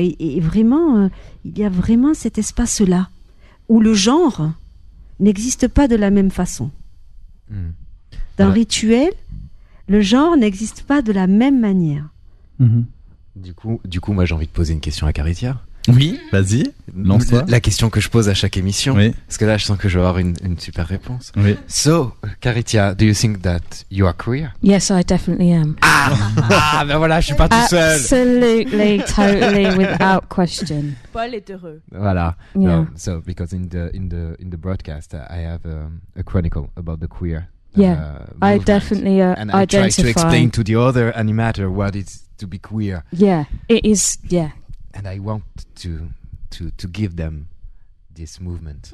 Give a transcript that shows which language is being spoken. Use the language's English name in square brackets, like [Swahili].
[French] Et vraiment, il y a vraiment cet espace-là où le genre n'existe pas de la même façon. Dans Rituel, le genre n'existe pas de la même manière. Du coup, moi, j'ai envie de poser une question à Caritia. Oui, vas-y, lance-toi. La question que je pose à chaque émission. Oui. Parce que là, je sens que je vais avoir une super réponse. Oui. [English] So, Caritia, do you think that you are queer? Yes, I definitely am. [French] Ah, ben voilà, je suis pas tout seul. [English] Absolutely, totally, without question. [French] Paul est heureux. Voilà. [English] Yeah. So, because in the broadcast, I have a chronicle about the queer. Yeah, I definitely identify. And I try to explain to the other animator what it's to be queer. Yeah, it is. Yeah. And I want to give them this movement.